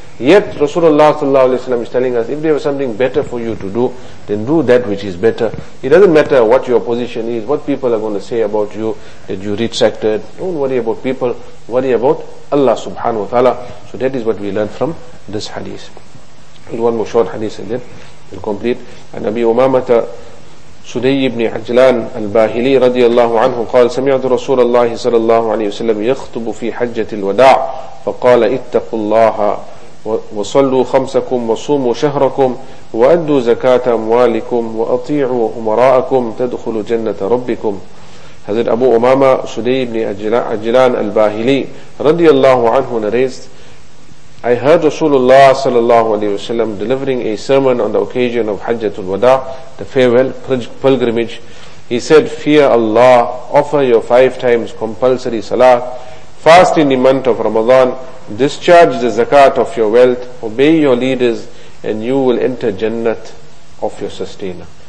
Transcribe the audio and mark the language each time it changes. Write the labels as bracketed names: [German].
[English] Yet Rasulullah sallallahu alaihi wasallam is telling us, if there was something better for you to do, then do that which is better. It doesn't matter what your position is, what people are going to say about you, that you retracted. Don't worry about people, worry about Allah subhanahu wa ta'ala. So that is what we learn from this hadith. One more short hadith and then we'll complete. [Arabic] And Abi Umamata سدي بن عجلان الباهلي رضي الله عنه قال: سمعت رسول الله صلى الله عليه وسلم يخطب في حجة الوداع فقال: اتقوا الله وصلوا خمسكم وصوموا شهركم وأدوا زكاة أموالكم وأطيعوا أمراءكم تدخلوا جنة ربكم. هذا أبو أمامة سدي بن عجلان الباهلي رضي الله عنه [English] narrates: I heard Rasulullah sallallahu alayhi wasallam delivering a sermon on the occasion of Hajjatul Wada, the farewell pilgrimage. He said, fear Allah, offer your 5 times compulsory salah, fast in the month of Ramadan, discharge the zakat of your wealth, obey your leaders, and you will enter Jannat of your sustainer.